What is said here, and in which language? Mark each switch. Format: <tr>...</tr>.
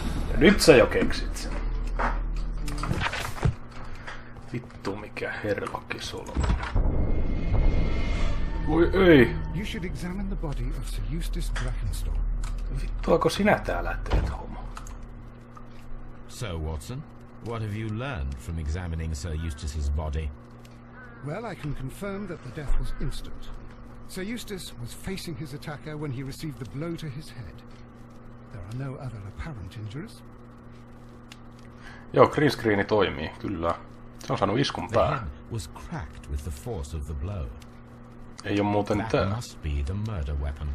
<fi>Ja nyt sä jo keksit sen. Vittu, mikä Herlocki sulla on. Voi ei.</fi> <en>You should examine the body of Sir Eustace Brackenstall.</en> <fi>Vittuako sinä täällä teet, homo?</fi> <en>So, Watson, what have you learned from examining Sir Eustace's body? Well, I can confirm that the death was instant. Sir Eustace was facing his attacker when he received the blow to his head. There are no other apparent injuries.</en> <fi>Joo, green screeni toimii, kyllä. Se on saanut iskun päähän.</fi> <en>The head was cracked with the force of the blow.</en> <fi>Ei ole muuten tää.</fi> <en>That must be the murder weapon.</en>